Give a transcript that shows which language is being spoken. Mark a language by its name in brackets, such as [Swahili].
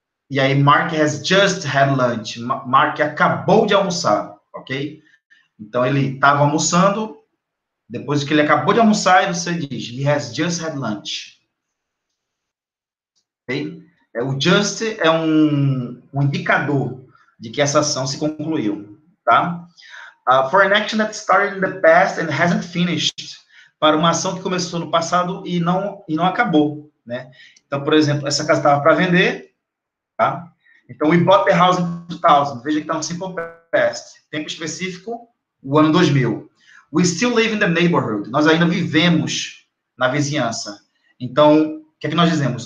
[Portuguese] E aí, Mark [English] has just had lunch. [Portuguese] Mark acabou de almoçar, ok? Então, ele estava almoçando. Depois que ele acabou de almoçar, você diz, [English] he has just had lunch. [Portuguese] Ok? O just é um indicador de que essa ação se concluiu, tá? [English] For an action that started in the past and hasn't finished. [Portuguese] Para uma ação que começou no passado e não acabou, né? Então, por exemplo, essa casa estava para vender. Tá? Então, [English] we bought the house in 2000. [Portuguese] Veja que está um simple past. Tempo específico, o ano 2000. [English] We still live in the neighborhood. [Portuguese] Nós ainda vivemos na vizinhança. Então, o que é que nós dizemos?